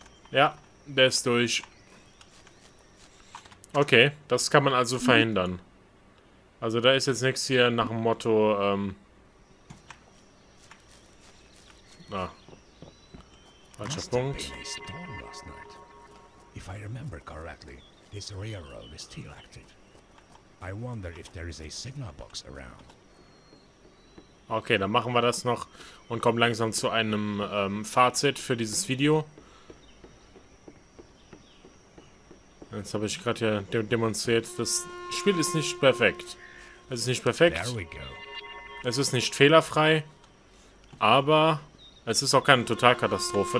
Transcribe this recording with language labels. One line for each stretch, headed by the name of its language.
German: Ja, der ist durch. Okay, das kann man also verhindern. Also da ist jetzt nichts hier nach dem Motto, falscher Punkt.
English: Must have been a storm last night. If I remember correctly, this railroad is still active. I wonder if there is a signal box around.
German: Okay, dann machen wir das noch und kommen langsam zu einem Fazit für dieses Video. Jetzt habe ich gerade ja demonstriert, das Spiel ist nicht perfekt. Es ist nicht perfekt. Es ist nicht fehlerfrei. Aber es ist auch keine Totalkatastrophe.